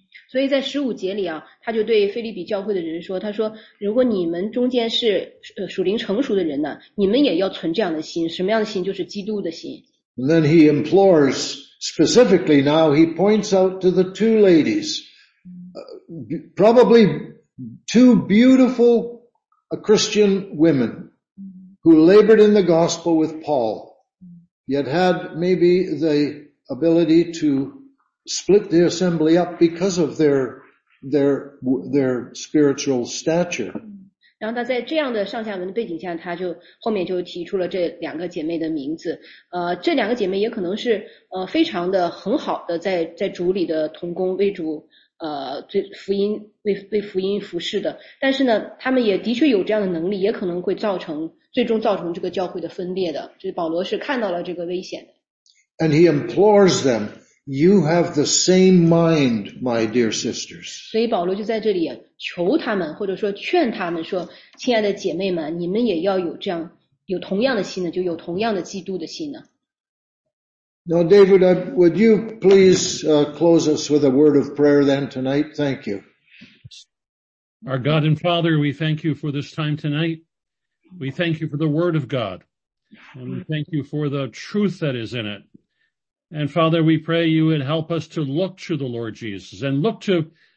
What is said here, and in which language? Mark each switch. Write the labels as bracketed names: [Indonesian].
[Chinese] 所以在十五节里啊，他就对腓立比教会的人说，他说如果你们中间是属灵成熟的人呢，你们也要存这样的心，什么样的心，就是基督的心。 [English] And then he implores specifically now, he points out to the two ladies, probably two beautiful Christian women who labored in the gospel with Paul, yet had maybe the ability to split the assembly up because of their spiritual stature. [Chinese] 然后他在这样的上下文的背景下，他就后面就提出了这两个姐妹的名字。这两个姐妹也可能是非常的很好的在主里的同工，为主为福音服侍的。但是呢，他们也的确有这样的能力，也可能会最终造成这个教会的分裂的。就是保罗是看到了这个危险的。 [English] And he implores them. You have the same mind, my dear sisters. 所以保罗就在这里求他们，或者说劝他们说，亲爱的姐妹们，你们也要有这样，有同样的心呢，就有同样的基督的心呢。 Now, David, would you please close us with a word of prayer then tonight? Thank you. Our God and Father, we thank you for this time tonight. We thank you for the word of God. And we thank you for the truth that is in it. And Father, we pray you would help us to look to the Lord Jesus and look to